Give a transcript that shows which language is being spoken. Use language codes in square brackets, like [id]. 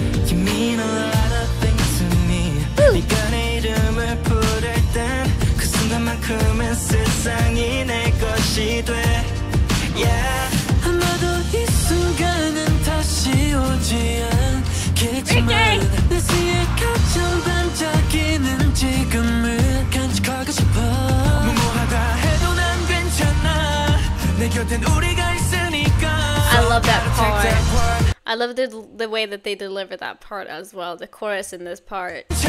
[en] You mean a lot of things to me. [ko] 네가 내 이름을 부를 땐 그 순간만큼은 세상이 내 것이 돼. [en] Yeah. [ko] 아마도 이 순간은 다시 오지 않겠지만 내 시야 가장 반짝이는 지금을 간직하고 싶어. 무모하다 해도 난 괜찮아. 내 곁엔 우리가 있으니까. [en] I love that part. I love the way that they deliver that part as well, the chorus in this part.